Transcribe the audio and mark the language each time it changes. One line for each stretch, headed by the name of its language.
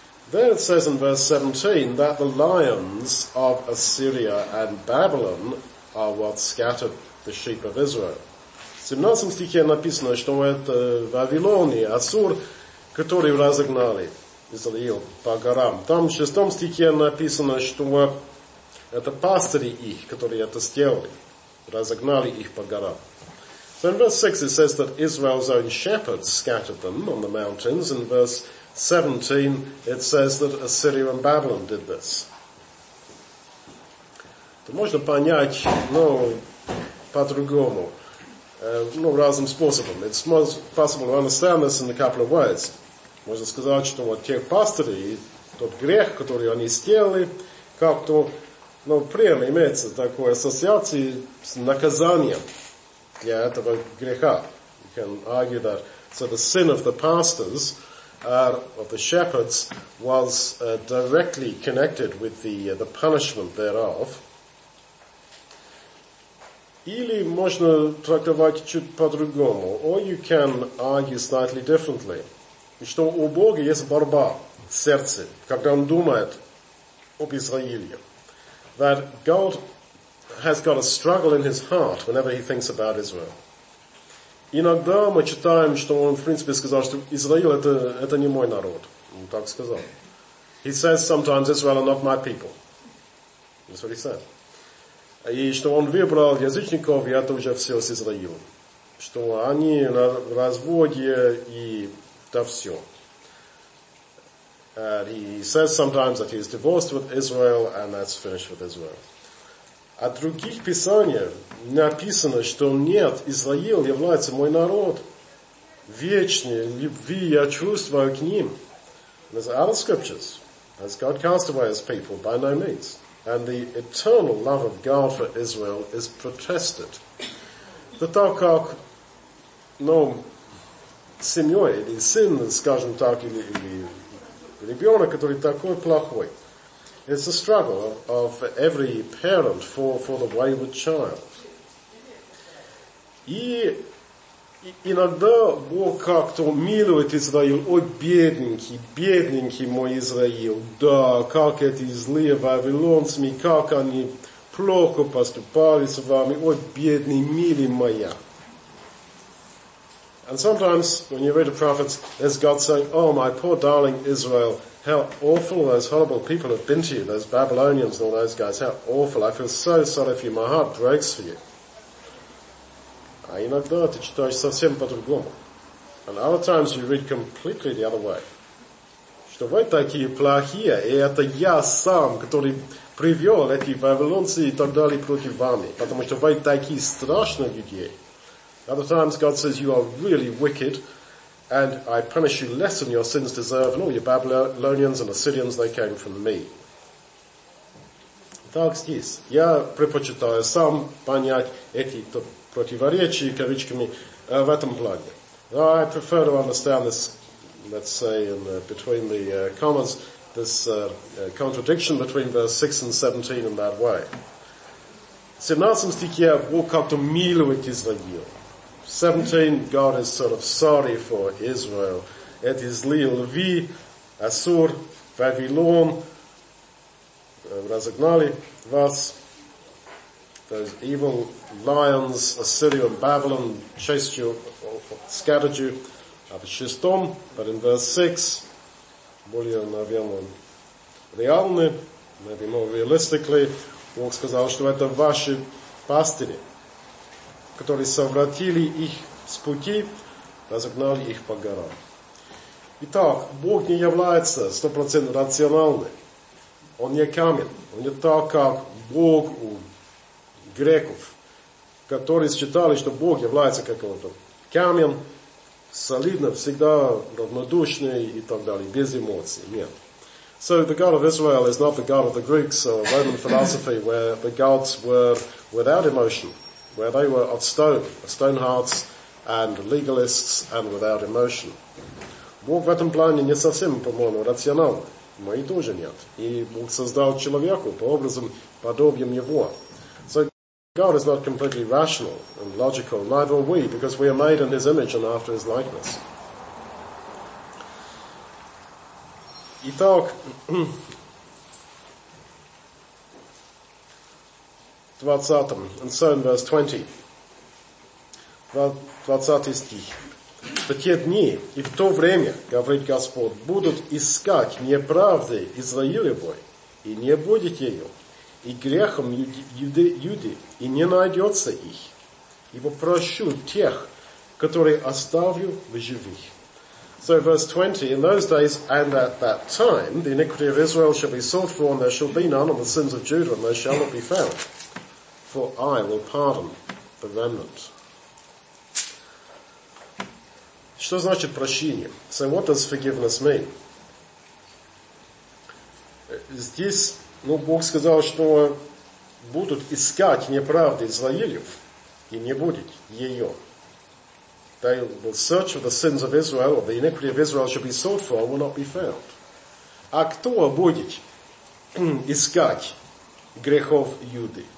English: There it says in verse 17 that the lions of Assyria and Babylon are what scattered the sheep of Israel.
Russian: В 17 стихе написано, что это Вавилония, Ассур, которые разогнали Израил по горам. Там в 6 стихе написано, что это пастыри их, которые это сделали, разогнали их по горам.
English: So in verse 6 it says that Israel's own shepherds scattered them on the mountains. In verse 17 it says that Assyria and Babylon did this.
Russian: Это можно понять, но по-другому, но разным способом.
English: It's possible to understand this in a couple of ways.
Russian: Можно сказать, что вот те пастыри, тот грех, который они сделали, как-то, ну, прямо имеется такой ассоциации с наказанием для этого греха.
English: You can argue that. So the sin of the pastors, of the shepherds, was directly connected with the punishment thereof.
Russian: Или можно трактовать чуть по-другому,
English: or you can argue slightly differently.
Russian: Что у Бога есть борьба в сердце, когда он думает об Израиле.
English: That God has got a struggle in his heart whenever he thinks about Israel.
Russian: Иногда мы читаем, что он, в принципе, сказал, что Израиль это не мой народ. Он так сказал.
English: He says sometimes Israel are not my people. That's what he said.
Russian: И что он выбрал язычников, и это уже все с Израилем. Что они на разводе и... Да все.
English: He says sometimes that he is divorced with Israel and that's finished with Israel.
Russian: А в других писаниях написано, что нет, Израиль является мой народ. Вечный любви я чувствую к ним.
English: There's other scriptures. Has God cast away his people? By no means. And the eternal love of God for Israel is protested.
Russian: Да так как, ну, семьей, или сын, скажем так, или ребенок, который такой плохой.
English: It's a struggle of every parent for the wayward child.
Russian: И иногда Бог как-то милует Израиль. Ой, бедненький, бедненький мой Израиль. Да, как эти злые вавилонцами, как они плохо поступали с вами. Ой, бедный, милый моя.
English: And sometimes, when you read the prophets, there's God saying, oh, my poor darling Israel, how awful those horrible people have been to you, those Babylonians and all those guys, how awful. I feel so sorry for you. My heart breaks for you.
Russian: А иногда ты читаешь совсем по-другому.
English: And other times you read completely the other way.
Russian: Что вы такие плохие, и это я сам, который привел эти вавилонцы и так далее против вами. Потому что вы такие страшные люди.
English: Other times God says, you are really wicked, and I punish you less than your sins deserve, and all your Babylonians and Assyrians, they came from me.
Russian: Так здесь. Я предпочитаю сам понять эти противоречия, кавычками, в этом плане.
English: I prefer to understand this, let's say, in between the commas, this contradiction between verse 6 and 17 in that way.
Russian: В 17 стихе Бог как-то милует Израиль.
English: 17, God is sort of sorry for Israel. It is Lil Vi, Assur, Babylon, Razagnali, Vas, those evil lions, Assyria and Babylon chased you, scattered you, at the Shistom, but in verse 6,
Russian: более, наверное, реальны,
English: maybe more realistically,
Russian: Бог сказал, что это ваши пастыри, которые совратили их с пути, разогнали их по горам. Итак, Бог не является 100% рациональным. Он не камень. Он не так, как Бог у греков, которые считали, что Бог является каким-то камень, солидным, всегда равнодушным и так далее, без эмоций. Нет.
English: So the God of Israel is not the God of the Greeks or Roman philosophy, where the gods were without emotion. Where they were of stone hearts and legalists and without emotion.
Russian: Бог в этом плане не совсем, по-моему, рациональный. Мои тоже нет. И Бог создал человеку по образу подобием Его.
English: So God is not completely rational and logical, neither are we, because we are made in His image and after His likeness.
Russian: Итак, 20-м,
English: and so in verse 20,
Russian: 20 стих. «В те дни и в то время, говорит Господь, будут искать неправды Израилевой, и не будет ее, и грехом Юды, и не найдется их, ибо прощу тех, которые оставлю в живых».
English: So verse 20, in those days and at that time, the iniquity of Israel shall be sought for, and there shall be none, and the sins of Judah, and they shall not be found. For I will pardon the remnant.
Russian: Что значит прощение?
English: So what does forgiveness mean?
Russian: Здесь, ну, Бог сказал, что будут искать неправды Израилев, и не будет ее.
English: They will search for the sins of Israel, or the iniquity of Israel shall be sought for, and will not be found.
Russian: А кто будет искать грехов Юды?